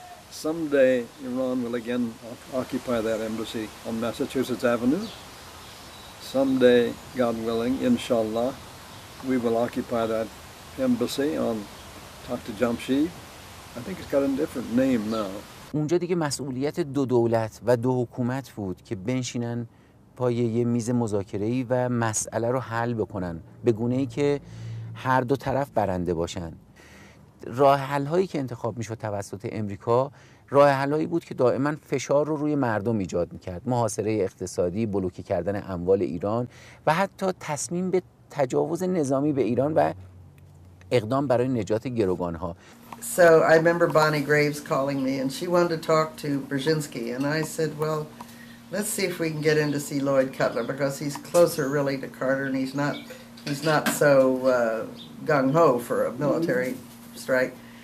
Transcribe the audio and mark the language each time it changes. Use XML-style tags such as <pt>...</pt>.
<en>Someday Iran will again occupy that embassy on Massachusetts Avenue. Someday, God willing, inshallah, we will occupy that embassy on Tahta Jamshid. I think it's got a different name now.</en> <fa>اونجا دیگه مسئولیت دو دولت و دو حکومت بود که بنشینن پای یه میز مذاکره‌ای و مسئله رو حل بکنن به گونه‌ای که هر دو طرف برنده باشن. راه حل‌هایی که انتخاب میشد توسط امریکا راه حل‌هایی بود که دائما فشار رو روی مردم ایجاد میکرد. محاصره اقتصادی، بلوکه کردن اموال ایران و حتی تصمیم به تجاوز نظامی به ایران و اقدام برای نجات گروگان‌ها.</fa> <en>So I remember Bonnie Graves calling me and she wanted to talk to Brzezinski and I said, well, let's see if we can get in to see Lloyd Cutler because he's closer really to Carter and he's not so gung-ho for a military strike.</en>